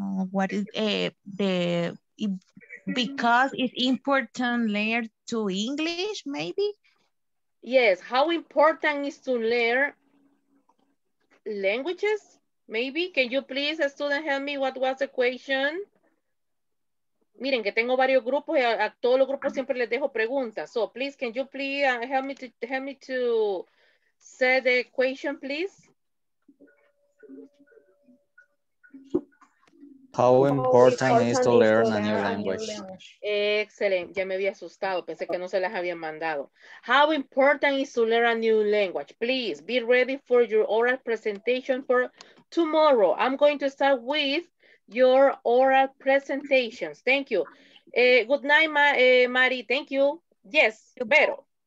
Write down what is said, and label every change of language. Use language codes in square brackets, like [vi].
[en] What is the because it's important learn to English, maybe? Yes, how important is to learn languages, maybe? Can you please, a student, help me? What was the question? [es] Miren, que tengo varios grupos y a todos los grupos siempre les dejo preguntas. [en] So, please, can you please help me to say the question, please? How important is to learn a new language? [es] Excelente, ya me había asustado, pensé que no se las habían mandado. [en] How important is to learn a new language? Please, be ready for your oral presentation for tomorrow. I'm going to start with your oral presentations. Thank you. Good night, Mari. Thank you. Yes, Vero.